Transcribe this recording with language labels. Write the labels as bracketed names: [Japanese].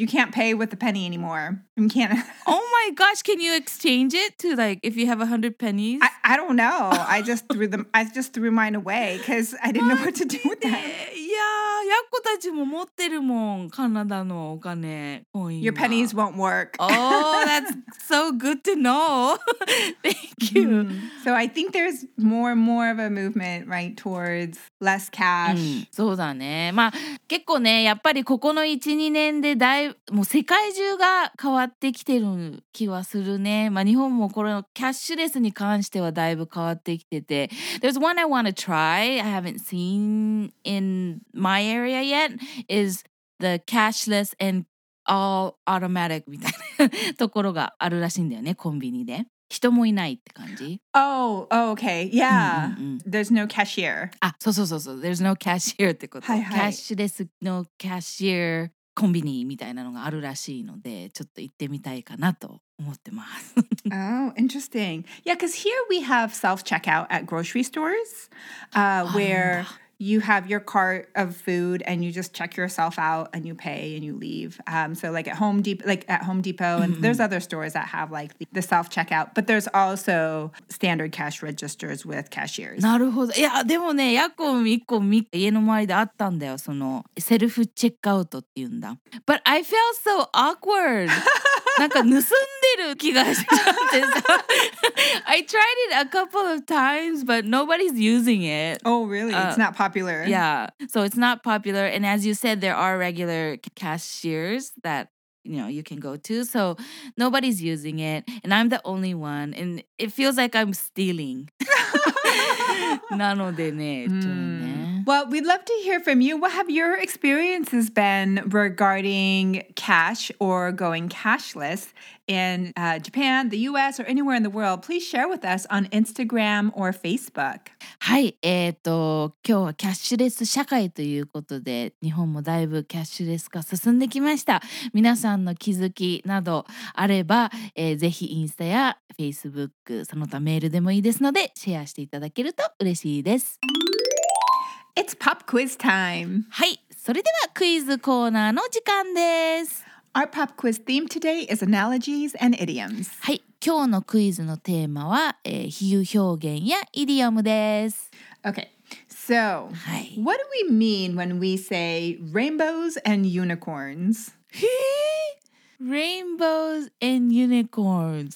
[English] You can't pay with the penny anymore in Canada. Oh my gosh, can you exchange it to like, if you have 100 pennies? I don't know. I just threw mine away because I didn't know what to do with that. [Japanese] いやー、ヤッコたちも持ってるもん、カナダのお金、コイン。 [English] Your pennies won't work. Oh, that's so good to know. Thank you. Mm. So I think there's more and more of a movement, right, towards less cash.、 [Japanese] うん、そうだね。まあ結構ね、やっぱりここの 1,2 年でだいもう世界中が変わってきてる気はするね。まあ日本もこれのキャッシュレスに関してはだいぶ変わってきてて。 [English] There's one I want to try I haven't seen in my area yet is the cashless and all automatic [Japanese] みたいなところがあるらしいんだよね、コンビニで。人もいないって感じ。 [English] Oh, okay, yeah. There's no cashier. [Japanese] あ、そうそうそうそう。 [English] There's no cashier [Japanese] ってこと。はいはい。キャッシュレスのキャッシュコンビニみたいなのがあるらしいので、ちょっと行ってみたいかなと思ってます。 [English] Oh, interesting. Yeah, because here we have self-checkout at grocery stores, where you have your cart of food and you just check yourself out and you pay and you leave. So like at Home Depot and there's other stores that have like the self-checkout, but there's also standard cash registers with cashiers. [Japanese] なるほど。いやでもね、ヤコも一個家の周りであったんだよ、そのセルフチェックアウトって言うんだ。 [English] But I felt so awkward. [Japanese] なんか盗んでる気がしちゃってさ。 [English] I tried it a couple of times, but nobody's using it. Oh, really? It's not popular. Yeah. So it's not popular. And as you said, there are regular cashiers that, you know, you can go to. So nobody's using it. And I'm the only one. And it feels like I'm stealing. [Japanese] なのでね、ちょっとね。 [English] Well, we'd love to hear from you. What have your experiences been regarding cash or going cashless in Japan, the US, or anywhere in the world? Please share with us on Instagram or Facebook. [Japanese] はい、今日はキャッシュレス社会ということで、日本もだいぶキャッシュレス化進んできました。皆さんの気づきなどあれば、ぜひインスタやフェイスブック、その他メールでもいいですので、シェアしていただけると嬉しいです。 [English] It's pop quiz time. [Japanese] はい、それではクイズコーナーの時間です。 [English] Our pop quiz theme today is analogies and idioms. [Japanese] はい、今日のクイズのテーマは、比喩表現やイディオムです。 [English] Okay, so、はい、what do we mean when we say rainbows and unicorns? Rainbows and unicorns.